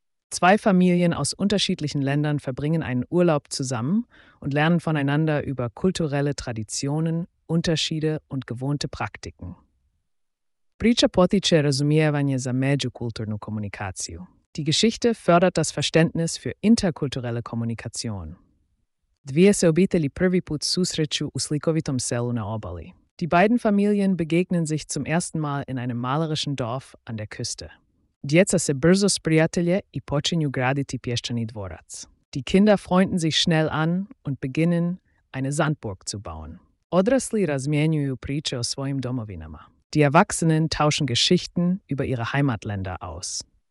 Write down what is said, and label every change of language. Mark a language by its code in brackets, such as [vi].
[de] Zwei Familien aus unterschiedlichen Ländern verbringen einen Urlaub zusammen und lernen voneinander über kulturelle Traditionen, Unterschiede und gewohnte Praktiken. [hr] Priča potiče razumijevanje za međukulturnu komunikaciju. [de] Die Geschichte fördert das Verständnis für interkulturelle Kommunikation. [hr] Dvije se obitelji prvi put susreću u slikovitom selu na obali. [de] Die beiden Familien begegnen sich zum ersten Mal in einem malerischen Dorf an der Küste. [hr] Djeca se brzo sprijatelje i počinju graditi pješčani dvorac. [de] Die Kinder freunden sich schnell an und beginnen, eine Sandburg zu bauen. [hr] Odrasli razmjenjuju priče o svojim domovinama. [de] Die Erwachsenen tauschen Geschichten über ihre Heimatländer aus.